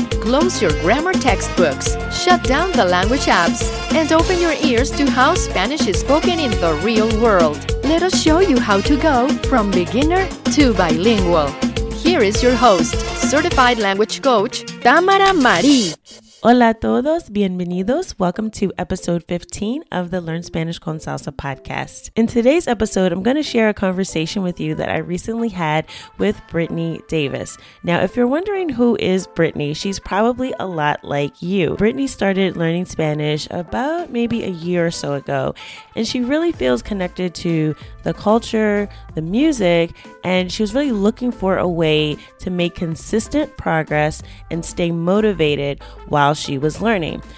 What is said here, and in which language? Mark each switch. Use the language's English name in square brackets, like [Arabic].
[English] Close your grammar textbooks, shut down the language apps, and open your ears to how Spanish is spoken in the real world. Let us show you how to go from beginner to bilingual. Here is your host, certified language coach, Tamara Marie. [Spanish] Hola a todos, bienvenidos. [English] Welcome to episode 15 of the Learn Spanish con Salsa podcast. In today's episode, I'm going to share a conversation with you that I recently had with Brittany Davis. Now, if you're wondering who is Brittany, she's probably a lot like you. Brittany started learning Spanish about maybe a year or so ago, and she really feels connected to the culture, the music, and she was really looking for a way to make consistent progress and stay motivated while she was learning.